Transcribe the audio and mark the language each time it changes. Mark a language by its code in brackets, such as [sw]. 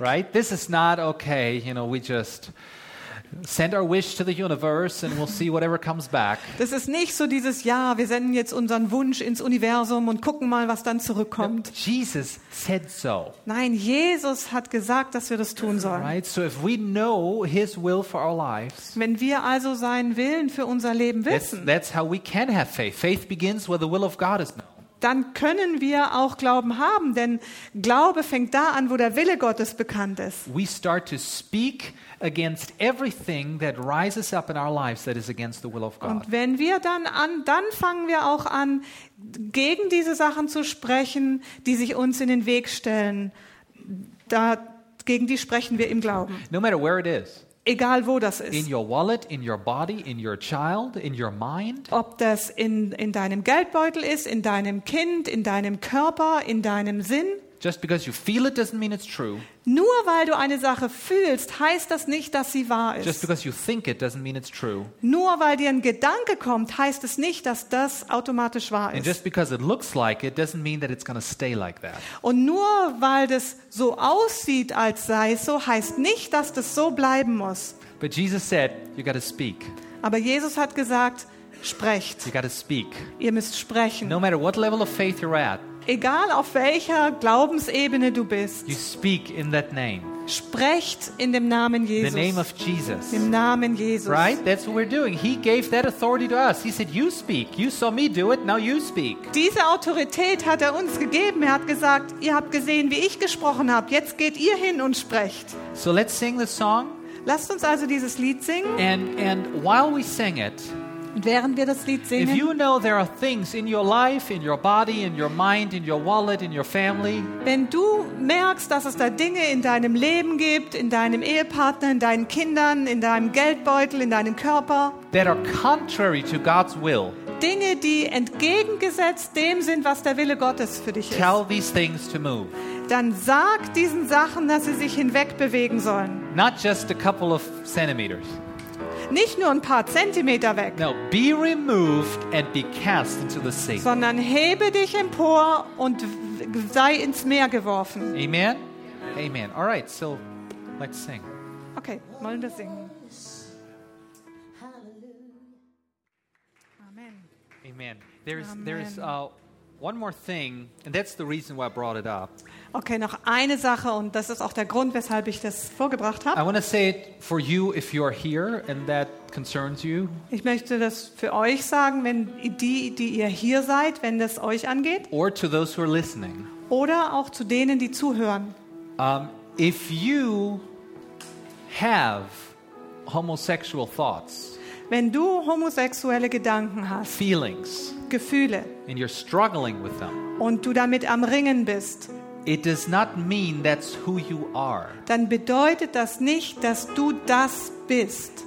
[en] Right? This is not okay, you know, we just send our wish to the universe and we'll see whatever comes back. [de] Das ist nicht so dieses ja, wir senden jetzt unseren Wunsch ins Universum und gucken mal, was dann zurückkommt. [en] No, Jesus said so. [de] Nein, Jesus hat gesagt, dass wir das tun sollen. [en] Right, so if we know his will for our lives. [de] Wenn wir also seinen Willen für unser Leben wissen. [en] That's how we can have faith. Faith begins where the will of God is known. [de] Dann können wir auch Glauben haben, denn Glaube fängt da an, wo der Wille Gottes bekannt ist. [en] We start to speak against everything that rises up in our lives that is against the will of God. [de] Und wenn wir dann fangen wir auch an, gegen diese Sachen zu sprechen, die sich uns in den Weg stellen. Gegen die sprechen wir im Glauben. [en] No matter where it is. [de] Egal wo das ist. [en] In your wallet, in your body, in your child, in your mind. [de] Ob das in deinem Geldbeutel ist, in deinem Kind, in deinem Körper, in deinem Sinn. [en] Just because you feel it doesn't mean it's true. [de] Nur weil du eine Sache fühlst, heißt das nicht, dass sie wahr ist. [en] Just because you think it doesn't mean it's true. [de] Nur weil dir ein Gedanke kommt, heißt es nicht, dass das automatisch wahr ist. [en] And just because it looks like it doesn't mean that it's going to stay like that. [de] Und nur weil das so aussieht, als sei es so, heißt nicht, dass das so bleiben muss. [en] But Jesus said, you got to speak. [de] Aber Jesus hat gesagt, sprecht. [en] You got to speak. [de] Ihr müsst sprechen. [en] No matter what level of faith you're at. [de] Egal auf welcher Glaubensebene du bist, [en] you speak in that name. [de] Sprecht in dem Namen Jesus. [en] The name of Jesus. [de] Im Namen Jesus. [en] Right? That's what we're doing. He gave that authority to us. He said, "You speak. You saw me do it. Now you speak." [de] Diese Autorität hat uns gegeben. Hat gesagt, ihr habt gesehen, wie ich gesprochen habe. Jetzt geht ihr hin und sprecht. [en] So let's sing the song. [de] Lasst uns also dieses Lied singen. [en] And while we sing it. [de] Während wir das Lied singen, [en] if you know there are things in your life, in your body, in your mind, in your wallet, in your family, [de] wenn du merkst, dass es da Dinge in deinem Leben gibt, in deinem Ehepartner, in deinen Kindern, in deinem Geldbeutel, in deinem Körper, [en] that are contrary to God's will, [de] Dinge, die entgegengesetzt dem sind, was der Wille Gottes für dich ist, [en] tell these things to move. [de] Dann sag diesen Sachen, dass sie sich hinwegbewegen sollen. [en] Not just a couple of centimeters. [de] Nicht nur ein paar Zentimeter weg. [en] No, be removed and be cast into the sea. [de] Sondern hebe dich empor und sei ins Meer geworfen. [en] Amen. Amen. All right, so let's sing. [de] Okay, wollen wir singen. [en] Amen. Amen. One more thing, and that's the reason why I brought it up. [de] Okay, noch eine Sache, und das ist auch der Grund, weshalb ich das vorgebracht habe. [en] I want to say it for you if you are here and that concerns you. [de] Ich möchte das für euch sagen, wenn die ihr hier seid, wenn das euch angeht. [en] Or to those who are listening. [de] Oder auch zu denen, die zuhören. [en] If you have homosexual thoughts. [de] Wenn du homosexuelle Gedanken hast. [en] Feelings. [de] Gefühle. [en] And you're struggling with them. [de] Und du damit am Ringen bist. [en] It does not mean that's who you are. [de] Dann bedeutet das nicht, dass du das bist.